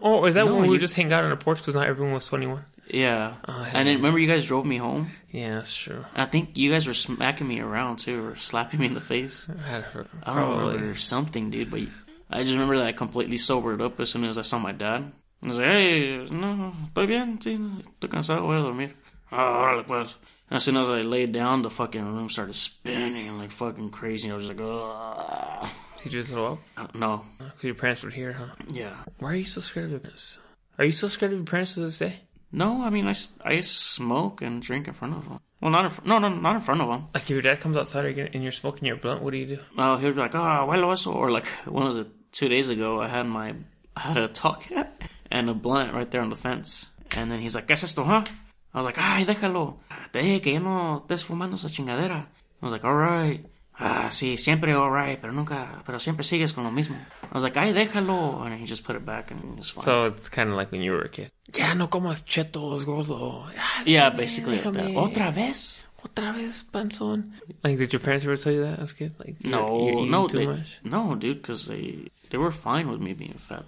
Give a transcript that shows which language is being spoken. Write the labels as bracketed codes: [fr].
[en] Oh, is that when we just hang out on a porch because not everyone was 21? Yeah. Oh, hey. And then remember you guys drove me home? Yeah, that's true. And I think you guys were smacking me around, too, or slapping me in the face. I don't remember something, dude, but I just remember that I completely sobered up as soon as I saw my dad. I was like, hey, [es] no, estoy bien, sí, estoy cansado, voy a dormir. Órale, pues. [en] And as soon as I laid down, the fucking room started spinning like fucking crazy. I was like, ugh. Did you throw up? No. Because your parents were here, huh? Yeah. Why are you so scared of this? Are you so scared of your parents to this day? No, I mean, I smoke and drink in front of them. Well, not in front of them. Like, if your dad comes outside and you're smoking your blunt, what do you do? Oh, he'll be like, [es] ah, huelo eso. [en] Or, like, when was it? 2 days ago, I had a talk and a blunt right there on the fence. And then he's like, [es] ¿qué es esto, [en] huh? I was like, [es] ay, déjalo. Deje que ya no estés fumando esa chingadera. [en] I was like, all right. [es] Ah, sí, siempre all right, pero nunca, pero siempre sigues con lo mismo. [en] I was like, [es] ay, déjalo. [en] And he just put it back and it was fine. So it's kind of like when you were a kid. [es] Ya no comas chetos, gordo. [en] Yeah, basically. [es] Déjame. Otra vez. Otra vez, panzón. [en] Like, did your parents ever tell you that as a kid? Like, you're eating too much? No, dude, because they were fine with me being fat.